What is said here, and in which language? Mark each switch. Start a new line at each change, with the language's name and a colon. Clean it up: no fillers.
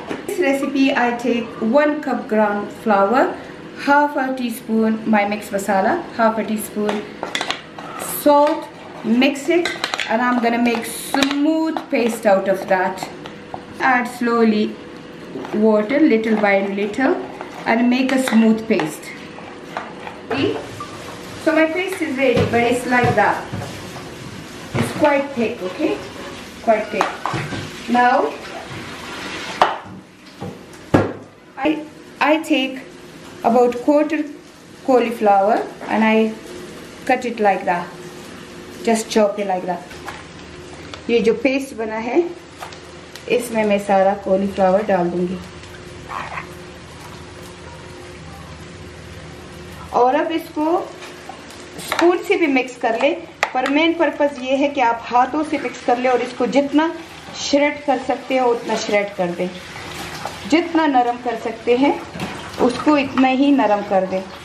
English: इस recipe I take 1 cup ground flour, 1/2 teaspoon my mix masala, 1/2 teaspoon salt, mix it and I am gonna make smooth paste out of that. Add slowly water little by little and make a smooth paste. So my paste is ready, but it's like that, quite thick, okay? Quite thick. Now, I take about 1/4 cauliflower and I cut it like that. Just chop it like that.
Hindi: ये जो paste बना है इसमें मैं सारा cauliflower डाल दूंगी। और अब इसको स्पून से भी मिक्स कर ले, पर मेन पर्पस ये है कि आप हाथों से मिक्स कर ले और इसको जितना श्रेड कर सकते हो उतना श्रेड कर दें, जितना नरम कर सकते हैं उसको इतना ही नरम कर दें।